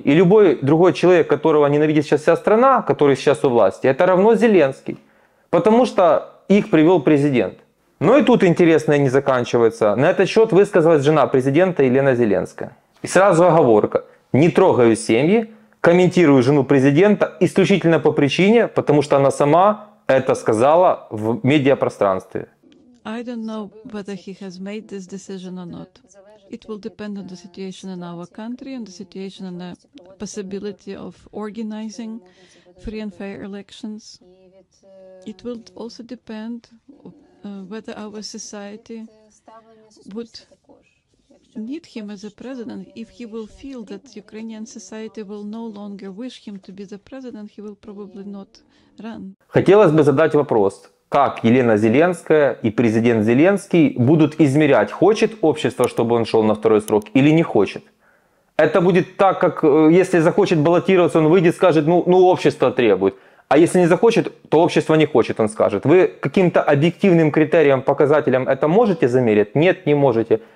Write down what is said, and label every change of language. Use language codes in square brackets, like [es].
[ru] И любой другой человек, которого ненавидит сейчас вся страна, который сейчас у власти, это равно Зеленский, потому что их привел президент. Ну и тут интересное не заканчивается. На этот счет высказалась жена президента Елена Зеленская. И сразу оговорка. Не трогаю семьи, комментирую жену президента исключительно по причине, потому что она сама это сказала в медиапространстве. [en] I don't know whether he has made this decision or not. It will depend on the situation in our country, on the situation and the possibility of organizing free and fair elections. It will also depend whether our society would need him as a president. If he will feel that Ukrainian society will no longer wish him to be the president, he will probably not run. [ru] Хотелось бы задать вопрос, как Елена Зеленская и президент Зеленский будут измерять, хочет общество, чтобы он шел на второй срок или не хочет. Это будет так, как если захочет баллотироваться, он выйдет и скажет, ну общество требует. А если не захочет, то общество не хочет, он скажет. Вы каким-то объективным критерием, показателем это можете замерить? Нет, не можете.